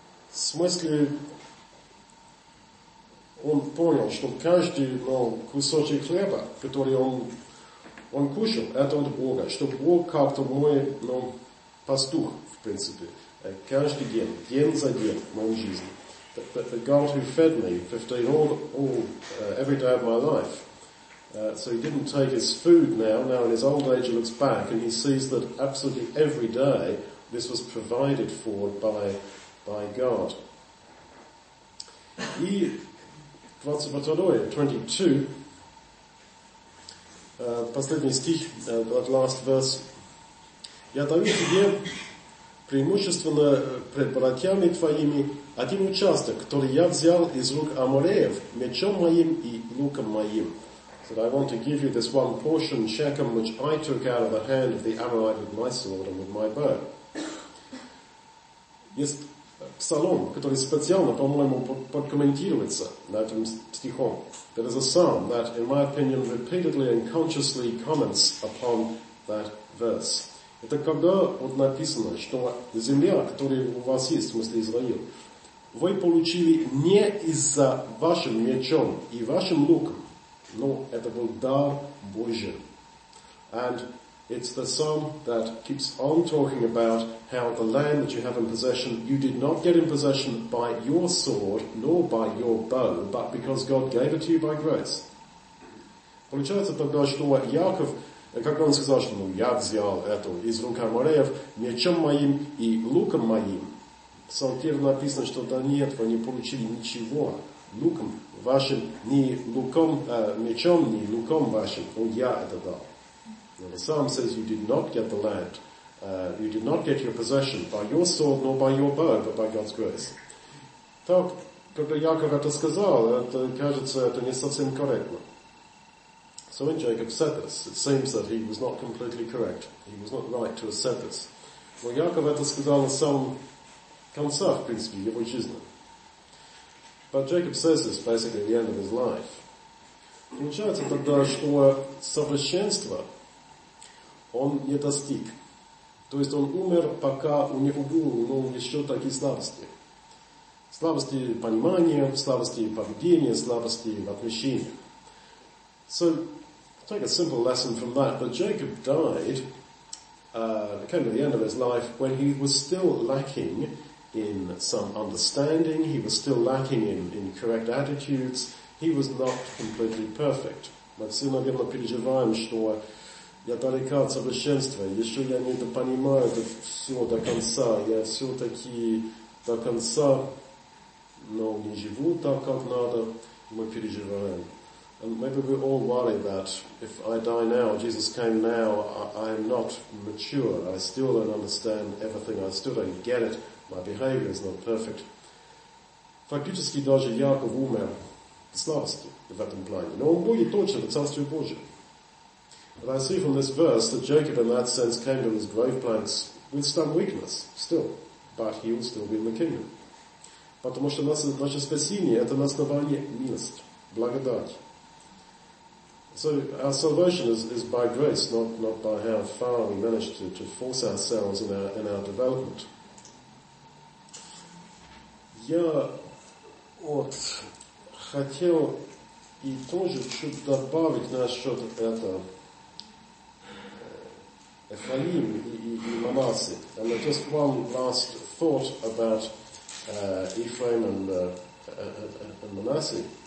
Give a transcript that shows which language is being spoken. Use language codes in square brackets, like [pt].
[ru] В смысле, он понял, что каждый, ну, кусочек хлеба, который он кушал, это от Бога. Что Бог как-то мой, ну, пастух, в принципе. Каждый день, день за день в моей жизни. [en] The God who fed me 15 every day of my life. So he didn't take his food now in his old age he looks back and he sees that absolutely every day this was provided for by by God. [ru] И 22, последний стих, [en] that last verse. [ru] Я даю тебе преимущественно пред братьями твоими один участок, который я взял из рук Амореев мечом моим и луком моим. [en] So I want to give you this one portion, Shechem, which I took out of the hand of the Amorite with my sword and with my bow. [ru] Есть псалом, который специально, по-моему, подкомментируется на этом стихом. [en] There is a psalm that, in my opinion, repeatedly and consciously comments upon that verse. [ru] Это когда вот написано, что земля, которая у вас есть, в смысле Израиль, вы получили не из-за вашим мечом и вашим луком, но это был дар Божий. [en] And it's the psalm that keeps on talking about how the land that you have in possession, you did not get in possession by your sword, nor by your bow, but because God gave it to you by grace. [ru] Получается тогда, что Яков, как он сказал, что я взял это из рук Амореев, мечом моим и луком моим. В Псалтире написано, что да нет, вы не получили ничего луком вашим, ни луком, мечом, ни луком вашим, но я это дал. [en] Now the psalm says you did not get the land, you did not get your possession by your sword nor by your bow, but by God's grace. [ru] Так, когда Яков это сказал, это кажется, это не совсем корректно. [en] So when Jacob said this, it seems that he was not completely correct. He was not right to have said this. [ru] Но Яков это сказал на самом конце, в принципе, его жизни. [en] But Jacob says this basically at the end of his life. [ru] Получается тогда, что совершенство он не достиг. То есть он умер, пока у него были, ну, еще такие слабости. Слабости понимания, слабости поведения, слабости в отношении. [en] So, take a simple lesson from that. But Jacob died, came to the end of his life, when he was still lacking in some understanding, he was still lacking in correct attitudes, he was not completely perfect. [ru] Мы все, наверное, переживаем, что я далека от совершенства, еще я не понимаю это все до конца, я все-таки до конца, но не живу так, как надо, мы переживаем. [en] And maybe we all worry that if I die now, Jesus came now, I am not mature, I still don't understand everything, I still don't get it, my behavior is not perfect. [ru] Фактически даже Яков умер в слабости в этом плане, но он будет точно в Царстве Божьем. [en] But I see from this verse that Jacob in that sense came to his grave plants with some weakness, still. But he will still be in the kingdom. [ru] Потому что наше спасение — это на основании милости, благодати. [en] So our salvation is by grace, not by how far we manage to force ourselves in our development. [ru] Я вот хотел и тоже чуть добавить насчет этого. Ephraim и Manasse. [en] And just one last thought about Ephraim and Manasse.